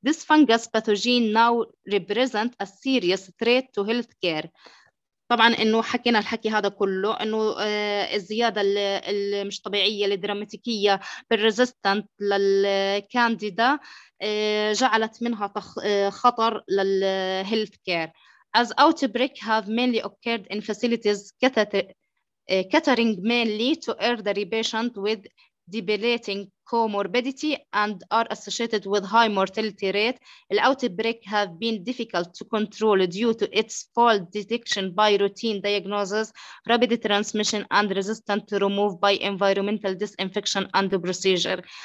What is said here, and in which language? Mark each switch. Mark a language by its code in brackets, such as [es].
[en] This fungus pathogen now represents a serious threat to healthcare. [ar] طبعا انه حكينا الحكي هذا كله انه الزياده المش طبيعيه الدراماتيكيه بالريزيستنت للكانديدا جعلت منها خطر للهيلث كير. [en] As outbreak have mainly occurred in facilities catering mainly to elderly patients with debilitating comorbidity and are associated with high mortality rate, the outbreak have been difficult to control due to its false detection by routine diagnosis, rapid transmission and resistant to remove by environmental disinfection and procedure.